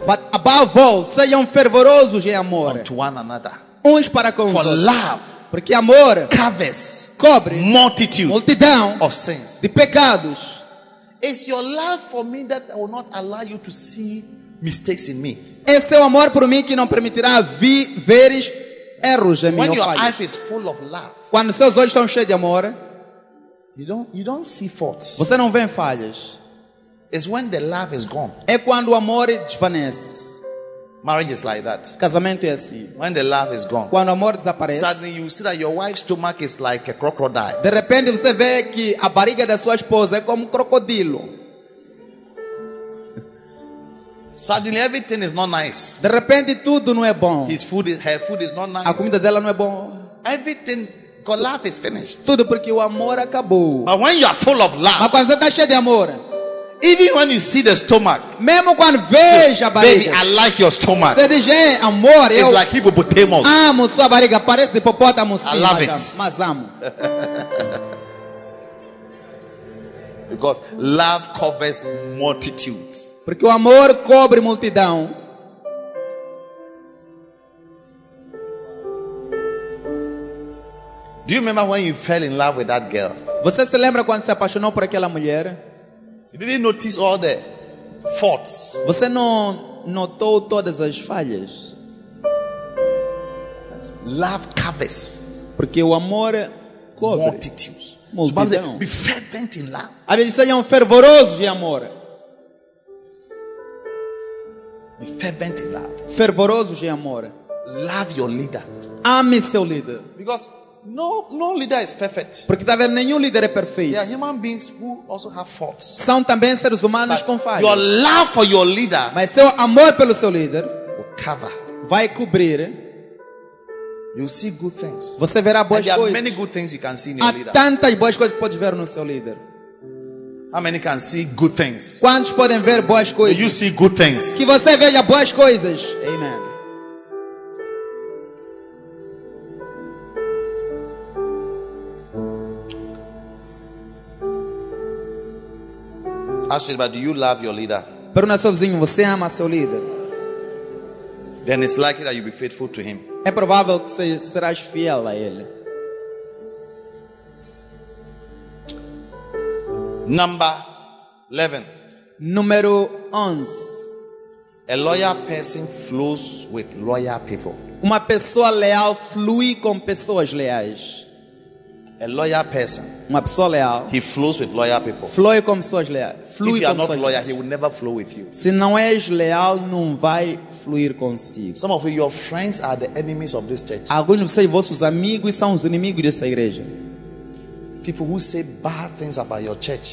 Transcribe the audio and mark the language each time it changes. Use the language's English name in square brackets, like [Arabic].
[English] But above all, [Portuguese] sejam fervorosos em amor. [English] Unto one another. [Portuguese] Uns para com [English] For [Portuguese] os outros. [English] For love. [Portuguese] Porque amor [English] covers [Portuguese] cobre [English] multitude [Portuguese] multidão [English] of sins. [Portuguese] De pecados. [English] It's your love for me that will not allow you to see mistakes in me. [Portuguese] É seu amor por mim que não permitirá ver erros em mim. [English] When your eyes is full of love. [Portuguese] Quando seus olhos estão cheios de amor, [English] you don't see faults. [Portuguese] Você não vê falhas. [English] It's when the love is gone. [Portuguese] É quando o amor desvanece. [English] Marriage is like that. [Portuguese] Casamento é assim. [English] When the love is gone. [Portuguese] Quando o amor desaparece. [English] Suddenly you see that your wife's stomach is like a crocodile. [Portuguese] De repente você vê que a barriga da sua esposa é como um crocodilo. [English] Suddenly everything is not nice. [Portuguese] De repente tudo não é bom. [English] His food is, her food is not nice. [Portuguese] A comida dela não é bom. [English] Everything because love is finished. [Portuguese] Tudo porque o amor acabou. [English] But when you are full of love. [Portuguese] Mas quando você está cheio de amor. [English] Even when you see the stomach, [Portuguese] mesmo quando veja a barriga, [English] baby, I like your stomach. [Portuguese] Você diz, amor, [English] it's like hippopotamus. [Portuguese] Amo sua barriga, parece de hipopótamo. [English] I love it. [Portuguese] Mas amo. [English] Because love covers multitudes. [Portuguese] Porque o amor cobre multidão. [English] Do you remember when you fell in love with that girl? [Portuguese] Você se lembra quando se apaixonou por aquela mulher? [English] You didn't notice all the faults. [Portuguese] Você não notou todas as falhas. [English] Love covers. [Portuguese] Porque o amor cobre [English] multitudes. [Portuguese] Multidão. So, [English] be fervent in love. [Portuguese] A Bíblia diz, sejam fervorosos de amor. [English] Be fervent in love. [Portuguese] Fervorosos de amor. [English] Love your leader. [Portuguese] Ame seu líder. [English] Because no leader is perfect. [Portuguese] Porque talvez nenhum líder é perfeito. [English] There are human beings who also have faults. [Portuguese] São também seres humanos [English] But [Portuguese] com falhas. [English] Your love for your leader. [Portuguese] Mas seu amor pelo seu líder. [English] Will cover. [Portuguese] Vai cobrir. [English] You see good things. [Portuguese] Você verá boas coisas. [English] There are many good things you can see in your [Portuguese] Há [English] leader. [Portuguese] Há tantas boas coisas que pode ver no seu líder. [English] How many can see good things? [Portuguese] Quantos podem ver boas coisas? [English] Do you see good things? [Portuguese] Que você veja boas coisas. [English] Amen. Ask you, but do you love your leader? [Portuguese] Pergunta seu vizinho, você ama seu líder? [English] Then it's likely that you'll be faithful to him. [Portuguese] É provável que você será fiel a ele. [English] Number 11. [Portuguese] Número 11. [English] A loyal person flows with loyal people. [Portuguese] Uma pessoa leal flui com pessoas leais. [English] A loyal person. [Portuguese] Uma pessoa leal. [English] He flows with loyal people. [Portuguese] Flui com pessoas leais. [English] If you are not loyal, he will never flow with you. [Portuguese] Se não és leal, não vai fluir consigo. [English] Some of you, your friends are the enemies of this church. [Portuguese] Alguns de vocês, vossos amigos são os inimigos dessa igreja. [English] People who say bad things about your church.